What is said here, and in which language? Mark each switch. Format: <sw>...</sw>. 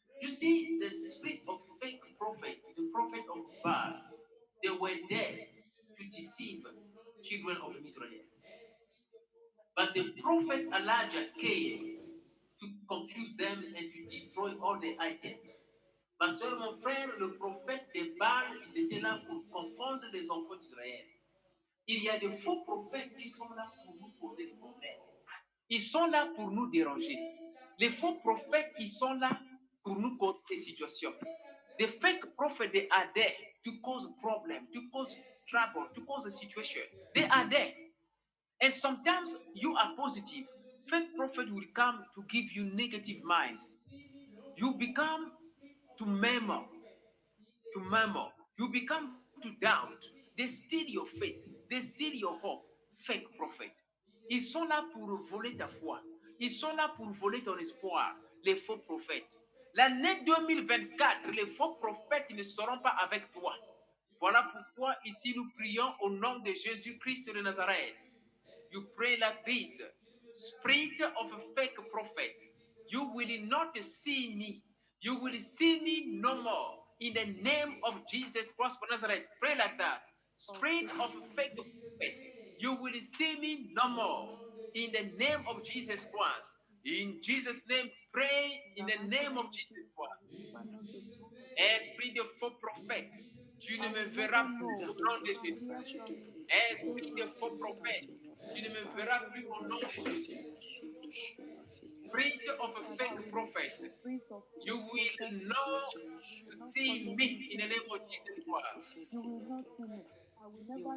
<en>You see, the spirit of fake prophet, the prophet of Baal, they were there to deceive children of Israel. But the prophet Elijah came to confuse them and to destroy all the items.</en> <fr>Ma soeur, mon frère, le prophète de Baal, il était là pour confondre les enfants d'Israël. Il y a des faux prophètes qui sont là pour nous poser des problèmes. Ils sont là pour nous déranger. Les faux prophètes, ils sont là pour nous causer des situations. Les fake prophètes de Adé, tu causes problème, tu causes trouble, tu causes des situations.</fr> <en>They are there. And sometimes you are positive. Fake prophet will come to give you negative mind. You become to murmur, to murmur. You become to doubt. They steal your faith. They steal your hope. Fake prophet.</en> <fr>Ils sont là pour voler ta foi. Ils sont là pour voler ton espoir. Les faux prophètes. L'année 2024, les faux prophètes ne seront pas avec toi. Voilà pourquoi ici nous prions au nom de Jésus-Christ de Nazareth.</fr> <en>You pray like this. Spirit of a fake prophet, you will not see me. You will see me no more. In the name of Jesus Christ of Nazareth, pray like that. Spirit of a fake prophet, you will see me no more. In the name of Jesus Christ. In Jesus' name, pray in the name of Jesus Christ.</en> <fr>Esprit de faux prophète, tu ne me verras plus au nom de Jésus. Esprit de faux prophète, tu ne me verras plus au nom de Jésus.</fr> <en>Esprit of a fake prophet, you will not see me in the name of Jesus Christ.</en>